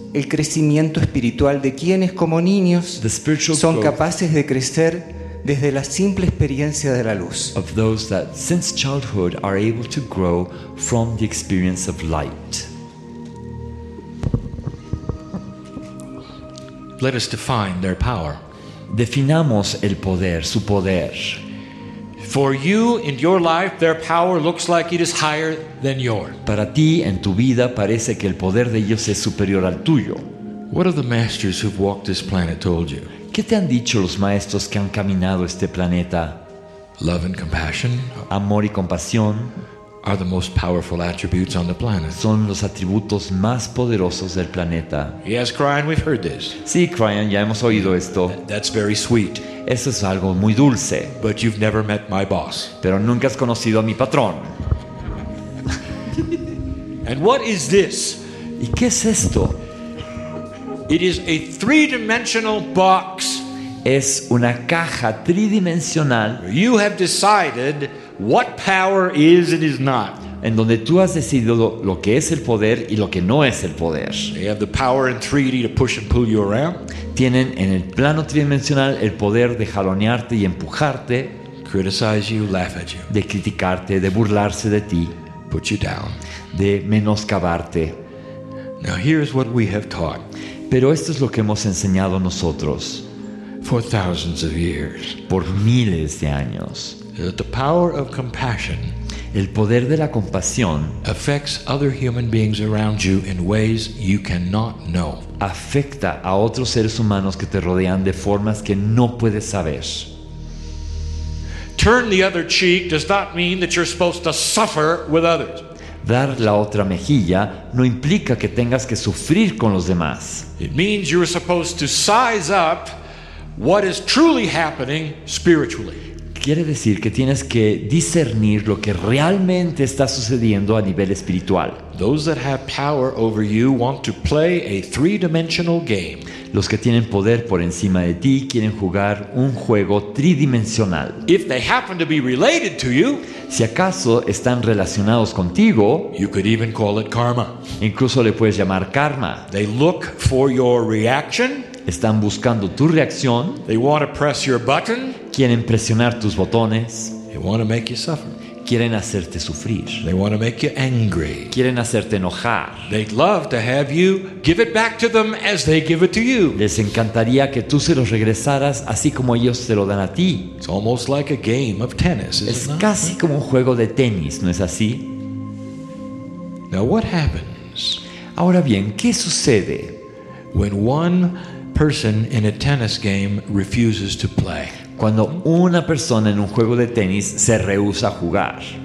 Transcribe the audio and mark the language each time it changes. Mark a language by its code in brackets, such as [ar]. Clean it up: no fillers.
[es] el crecimiento espiritual de quienes como niños son capaces de crecer desde la simple experiencia de la luz. [en] Of those that since childhood are able to grow from the experience of light. Let us define their power. [es] Definamos el poder, su poder. [en] For you in your life, their power looks like it is higher than yours. [es] Para ti en tu vida parece que el poder de ellos es superior al tuyo. [en] What have the masters who've walked this planet told you? [es] ¿Qué te han dicho los maestros que han caminado este planeta? [en] Love and compassion. [es] Amor y compasión. [en] Are the most powerful attributes on the planet. [es] Son los atributos más poderosos del planeta. [en] Yes, Kryon, we've heard this. [es] Sí, Kryon, ya hemos oído esto. [en] That's very sweet. [es] Eso es algo muy dulce. [en] But you've never met my boss. [es] Pero nunca has conocido a mi patrón. [en] And what is this? [es] ¿Y qué es esto? [en] It is a three-dimensional box. [es] Es una caja tridimensional. [en] You have decided what power is and is not. [es] En donde tú has decidido lo que es el poder y lo que no es el poder. [en] They have the power in 3D to push and pull you around. [es] Tienen en el plano tridimensional el poder de jalonearte y empujarte. [en] Criticize you, laugh at you. [es] De criticarte, de burlarse de ti. [en] Put you down. [es] De menoscabarte. [en] Now here's what we have taught. [es] Pero esto es lo que hemos enseñado nosotros. [en] For thousands of years. [es] Por miles de años. [en] That the power of compassion, [es] el poder de la compasión, [en] affects other human beings around you in ways you cannot know. [es] Afecta a otros seres humanos que te rodean de formas que no puedes saber. [en] Turn the other cheek does not mean that you're supposed to suffer with others. [es] Dar la otra mejilla no implica que tengas que sufrir con los demás. [en] It means you're supposed to size up what is truly happening spiritually. [es] Quiere decir que tienes que discernir lo que realmente está sucediendo a nivel espiritual. [en] Those that have power over you want to play a three-dimensional game. [es] Los que tienen poder por encima de ti quieren jugar un juego tridimensional. [en] If they happen to be related to you, [es] si acaso están relacionados contigo, [en] you could even call it karma. [es] Incluso le puedes llamar karma. [en] They look for your reaction. [es] Están buscando tu reacción. [en] They want to press your button. [es] Quieren presionar tus botones. [en] They want to make you suffer. [es] Quieren hacerte sufrir. [en] They want to make you angry. [es] Quieren hacerte enojar. [en] They'd love to have you give it back to them as they give it to you. [es] Les encantaría que tú se los regresaras así como ellos se lo dan a ti. [en] It's almost like a game of tennis, isn't it? [es] Es casi como un juego de tenis, ¿no es así? [en] Now what happens? [es] Ahora bien, ¿qué sucede? [en] When one person in a tennis game refuses to play. [es] Cuando una persona en un juego de tenis se rehúsa a jugar.